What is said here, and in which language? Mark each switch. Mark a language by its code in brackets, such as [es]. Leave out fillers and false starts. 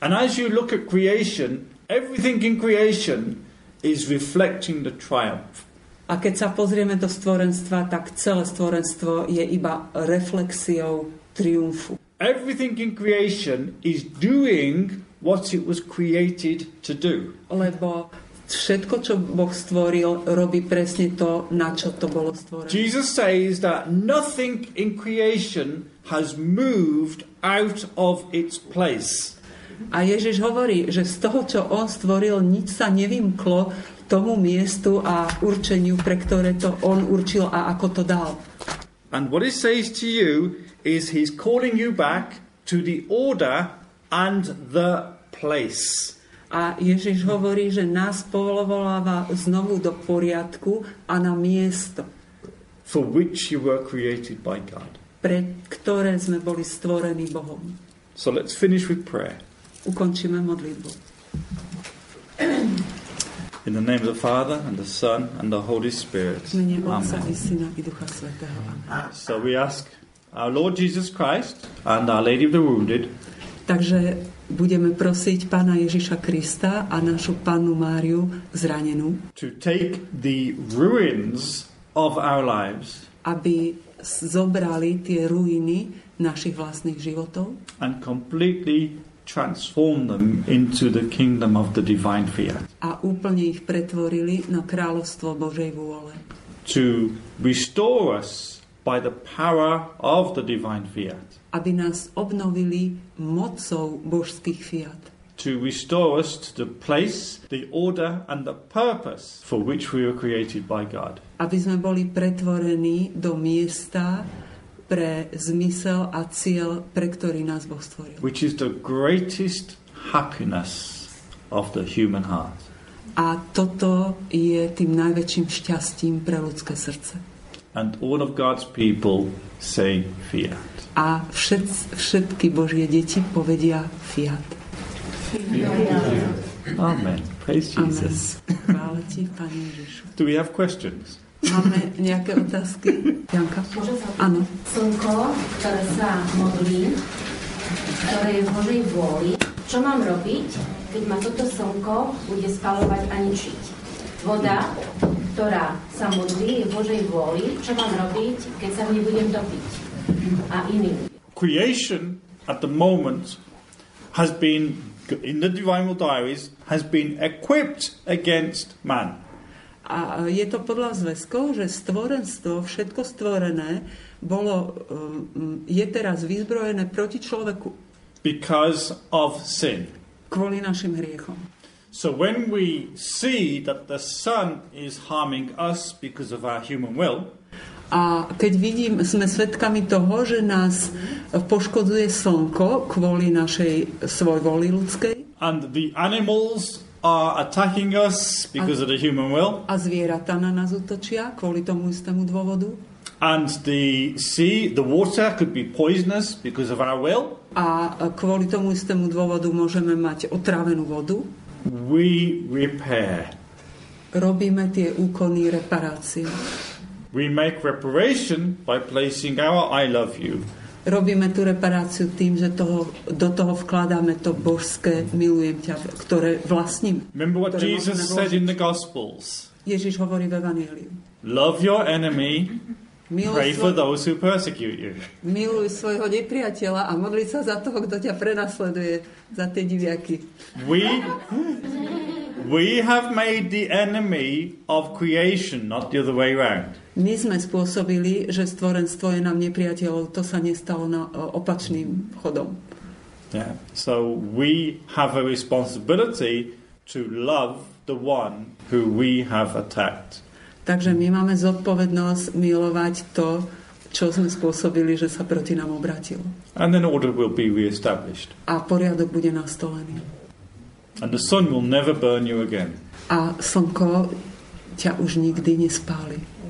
[en] And as you look at creation, everything in creation is reflecting the triumph. [sk] A keď sa pozrieme do stvorenstva, tak celé stvorenstvo je iba reflexiou triumfu. [en] Everything in creation is doing what it was created to do. [sk] Lebo všetko, čo Boh stvoril, robí presne to, na čo to bolo stvorené. [en] Jesus says that nothing in creation has moved out of its place. [sk] A Ježiš hovorí, že z toho, čo on stvoril, nič sa nevymklo tomu miestu a určeniu, pre ktoré to on určil a ako to dal. [en] And what he says to you is he's calling you back to the order and the place. [sk] A Ježiš hovorí, že nás povoláva znovu do poriadku a na miesto. [en] For which you were created by God. [sk] Pre ktoré sme boli stvorení Bohom. [en] So let's finish with prayer. [sk] Ukončíme modlitbu. [en] In the name of the Father and the Son and the Holy Spirit. [sk] V mene Otca i Syna i Ducha Svätého. Amen. [en] So we ask our Lord Jesus Christ and our Lady of the Wounded. [sk] Takže budeme prosiť Pána Ježiša Krista a našu Pannu Máriu zranenú, [en] to take the ruins of our lives, [sk] aby zobrali tie ruiny našich vlastných životov, [en] and completely transform them into the kingdom of the divine fiat, [sk] a úplne ich pretvorili na kráľovstvo Božej vôle, [en] to restore us by the power of the divine fiat, [sk] aby nás obnovili mocou božských fiat, [en] to restore us to the place, the order and the purpose for which we were created by God, [sk] aby sme boli pretvorení do miesta pre zmysel a cieľ, pre ktorý nás Boh stvoril, [en] which is the greatest happiness of the human heart, [sk] a toto je tým najväčším šťastím pre ľudské srdce. [en] And all of God's people say fiat. [sk] A všetky Božie deti povedia fiat. [en] Fiat. Amen. Praise Amen. Jesus. [sk] Chvála ti, Pane Ježišu. [en] Do we have questions? [sk] Máme nejaké otázky? Janka? Áno. Slnko, ktoré sa modlí, ktoré je v Božej vôli, čo mám robiť, keď ma toto slnko bude spalovať a ničiť? Voda, ktorá sa modlí, je v Božej vôli, čo mám robiť, keď sa v nej budem topiť? A iný. [en] Creation at the moment has been, in the divine diaries, has been equipped against man. [sk] A je to podľa zväzkov, že stvorenstvo, všetko stvorené, bolo, je teraz vyzbrojené proti človeku. [en] Because of sin. [sk] Kvôli našim hriechom. [en] So when we see that the sun is harming us because of our human will, [sk] a keď vidím, sme svedkami toho, že nás poškodzuje slnko kvôli našej svoj voli ľudskej, [en] and the animals are attacking us because of the human will, [sk] a zvieratá na nás útočia kvôli tomu istému dôvodu, [en] and the sea, the water could be poisonous because of our will, [sk] a kvôli tomu istému dôvodu môžeme mať otrávenú vodu, [en] we repair, [sk] robíme tie úkony reparácie. [en] We make reparation by placing our I love you. [sk] Robíme tú reparáciu tým, že toho, do toho vkladáme to božské milujem ťa, ktoré vlastním. [en] Remember what Jesus said in the Gospels. [sk] Ježiš hovorí v Evanjeliu. [en] Love your enemy, pray for those who persecute you. [sk] Miluj svojho nepriateľa a modli sa za toho, kto ťa prenasleduje, za tie diviaky. [en] We have made the enemy of creation, not the other way around. [sk] My sme spôsobili, že stvorenstvo je nám nepriateľom. To sa nestalo na opačným chodom. Yeah. [en] So we have a responsibility to love the one who we have attacked. [sk] Takže my máme zodpovednosť milovať to, čo sme spôsobili, že sa proti nám obratilo. [en] And then order will be reestablished. [sk] A poriadok bude nastolený. [en] And the sun will never burn you again. [sk] A slnko ťa už nikdy nespáli.